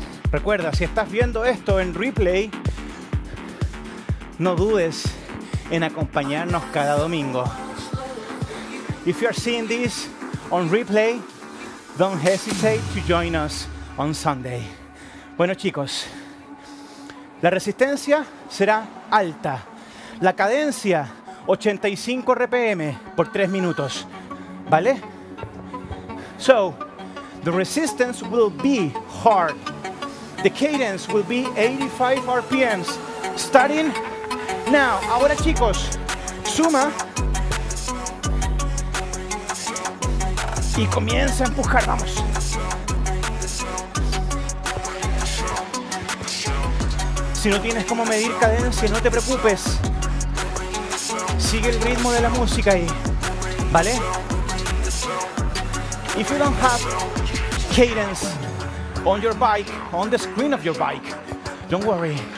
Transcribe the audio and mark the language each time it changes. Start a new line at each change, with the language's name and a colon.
Spanish: Recuerda, si estás viendo esto en replay, no dudes en acompañarnos cada domingo.
English: If you are seeing this on replay, don't hesitate to join us on Sunday.
Spanish: Bueno, chicos, la resistencia será alta. La cadencia, 85 RPM por 3 minutos. ¿Vale?
English: So, the resistance will be hard. The cadence will be 85 RPMs, starting now.
Spanish: Ahora, chicos, suma. Y comienza a empujar, vamos. Si no tienes cómo medir cadencia, no te preocupes. Sigue el ritmo de la música ahí, ¿vale?
English: If you don't have cadence on your bike, on the screen of your bike, don't worry.